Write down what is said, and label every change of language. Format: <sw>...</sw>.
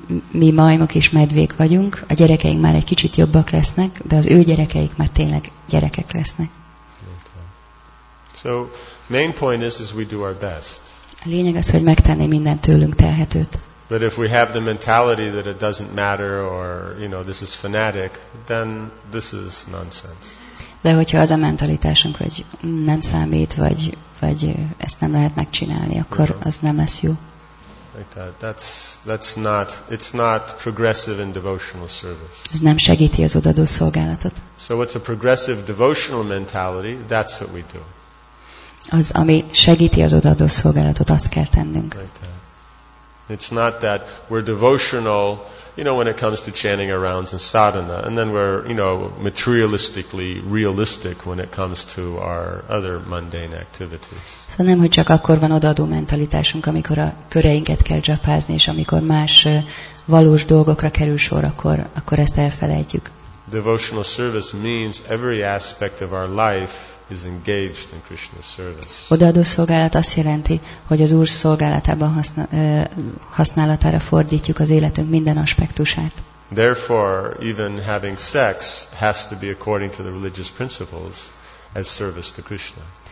<hu>Mi majmok és medvék vagyunk, a gyerekeink már egy kicsit jobbak lesznek, de az ő gyerekeik már tényleg gyerekek lesznek.</hu> <en>So, main point is we do our best.</en> <hu>A lényeg az, hogy megtenni mindent tőlünk telhetőt.</hu> <en>But if we have the mentality that it doesn't matter or, you know, this is fanatic, then this is nonsense.</en> <hu>De hogyha az a mentalitásunk, hogy nem számít, vagy ezt nem lehet megcsinálni, akkor az nem lesz jó.</hu> <en>Like that's not, it's not progressive in devotional service.</en> <hu>Ez nem segíti az odaadó szolgálatot.</hu> <en>So what's a progressive devotional mentality? That's what we do.</en> <hu>Az, ami segíti az odaadó szolgálatot, azt kell tennünk.</hu> <en>Like that. It's not that we're devotional, you know, when it comes to chanting our rounds and sadhana, and then we're, you know, materialistically realistic when it comes to our other mundane activities.</en> <hu>Szóval nem, hogy csak akkor van odaadó mentalitásunk, amikor a köreinket kell japázni, és amikor más valós dolgokra kerül sor, akkor ezt elfelejtjük.</hu> <en>Devotional service means every aspect of our life is engaged in Krishna's service.</en> <hu>Odaadó szolgálat azt jelenti, hogy az Úr szolgálatában használatára fordítjuk az életünk minden aspektusát.</hu> <en>Therefore, even having sex has to be according to the religious principles as service to Krishna.</en>